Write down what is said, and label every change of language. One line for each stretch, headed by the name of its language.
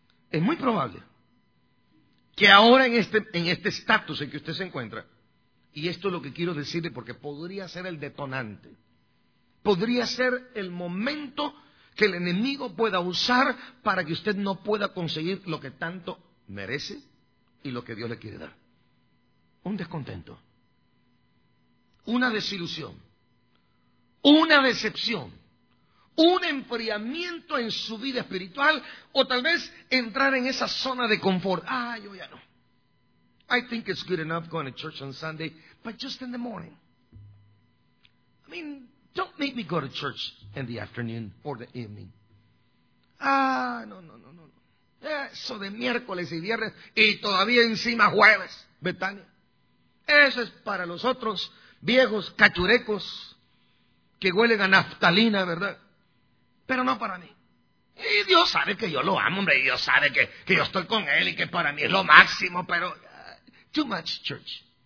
Spanish: Es muy probable que ahora en este estatus en que usted se encuentra, y esto es lo que quiero decirle porque podría ser el detonante, podría ser el momento que el enemigo pueda usar para que usted no pueda conseguir lo que tanto merece y lo que Dios le quiere dar. Un descontento, una desilusión, una decepción, un enfriamiento en su vida espiritual, o tal vez entrar en esa zona de confort. Ah, yo ya no.
English: I think it's good enough going to church on Sunday, but just in the morning. I mean, don't make me go to church in the afternoon or the evening.
Spanish: Ah, no. Eso de miércoles y viernes, y todavía encima jueves, Betania. Eso es para los otros viejos cachurecos, que huelen a naftalina, ¿verdad? Pero no para mí. Y Dios sabe que yo lo amo, hombre. Y Dios sabe que yo estoy con Él y que para mí es lo máximo, pero...
English: too much church.